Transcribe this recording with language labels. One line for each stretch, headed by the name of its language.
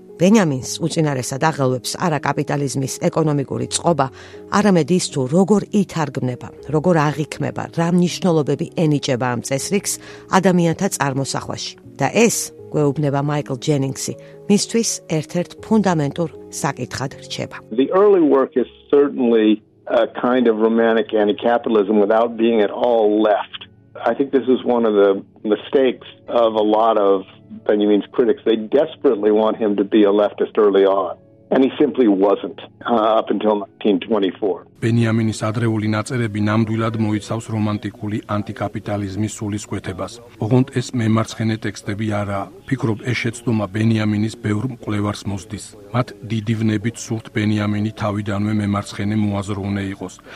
Georgian: ბენიამინს უწინარესად აღელვებს არა კაპიტალიზმის ეკონომიკური წყობა, არამედ ის თუ როგორ ითარგმნება, როგორ აღიქმება, რა მნიშვნელობები ენიჭება ამ წესრიგს ადამიანთა წარმოსახვაში. და ეს, გვეუბნება მაიკლ ჯენინგსი, მისთვის ერთ-ერთ ფუნდამენტურ საკითხად რჩება.
English: The early work is certainly a kind of romantic anti-capitalism without being at all left. I think this is one of the mistakes of a lot of Benjamin's critics. They desperately want him to be a leftist early on, and he simply wasn't up until 1924.
Georgian: Benjamin's ადრეული ნაწერები ნამდვილად მოიცავს რომანტიკული ანტიკაპიტალიზმის სულისკვეთებას. ოღონდ ეს მემარცხენე ტექსტები არაა. ფიქრობ, ეს შეცდომა ბენიამინის ბევრ მკვლევარს მოსდის. მათ დიდი ვნებით სურთ ბენიამინი თავიდანვე მემარცხენე მოაზროვნე იყოს.